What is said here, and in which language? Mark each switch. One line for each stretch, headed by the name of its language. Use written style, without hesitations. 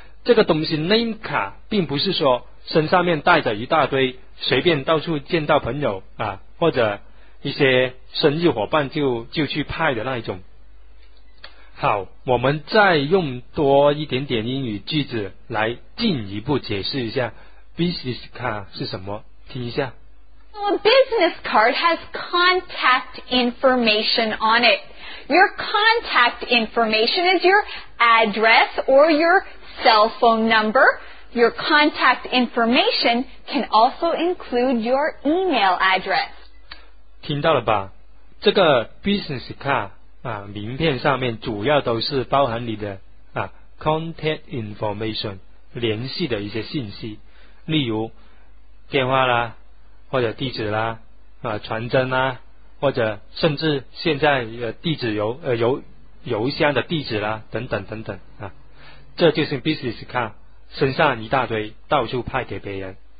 Chinese: 这个东西 name 卡并不是说身上面带着一大堆，随便到处见到朋友啊，或者一些生日伙伴就去派的那一种。好，我们再用多一点点英语句子来进一步解释一下 business card 是什么，听一下。
English: So a business card has contact information on it. Your contact information is your address or your cell phone number. Your contact information can also include your email address.
Chinese: 听到了吧？这个 business card啊，名片上面主要都是包含你的啊 contact information 联系的一些信息，例如电话啦，或者地址啦，啊传真啦，或者甚至现在地址邮箱的地址啦，等等等等啊，这就是 business card 身上一大堆，到处派给别人。